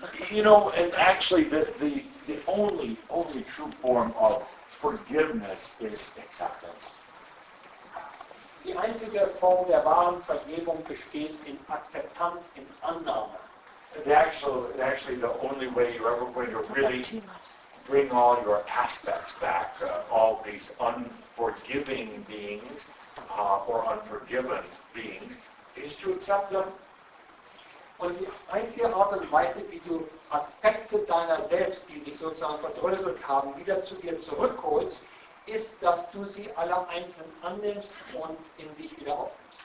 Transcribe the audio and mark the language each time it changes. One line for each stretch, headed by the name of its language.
English: You know, and actually the only true form of forgiveness is acceptance.
German: Die einzige Form der wahren Vergebung besteht in Akzeptanz, in Annahme.
English: Actually the only way you're ever going to really bring all your aspects back, all these unforgiving beings or unforgiven beings, is to accept them.
German: Und die einzige Art und Weise, wie du Aspekte deiner selbst, die sich sozusagen verdröselt haben, wieder zu dir zurückholst, ist, dass du sie alle einzeln annimmst und in dich wieder aufnimmst.